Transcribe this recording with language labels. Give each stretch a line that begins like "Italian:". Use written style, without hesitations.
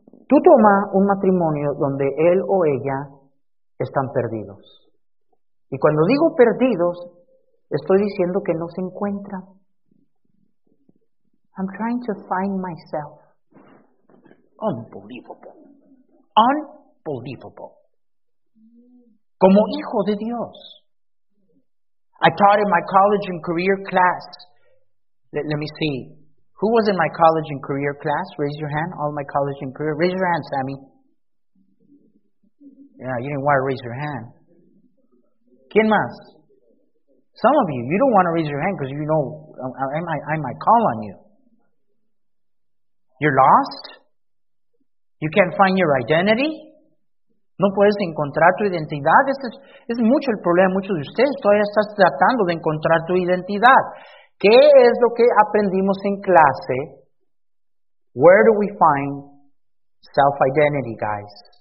Spanish: Tú toma un matrimonio donde él o ella están perdidos. Y cuando digo perdidos, estoy diciendo que no se encuentran.
English: I'm trying to find myself. Unbelievable. Unbelievable.
Spanish: Como hijo de Dios.
English: I taught in my college and career class. Let me see. Who was in my college and career class? Raise your hand. All my college and career. Raise your hand, Sammy. Yeah, you didn't want to raise your hand.
Spanish: ¿Quién más?
English: Some of you, you don't want to raise your hand because you know I might call on you. You're lost? You can't find your identity?
Spanish: No puedes encontrar tu identidad. Es mucho el problema. Muchos de ustedes todavía están tratando de encontrar tu identidad. ¿Qué es lo que aprendimos en clase?
English: Where do we find self-identity, guys?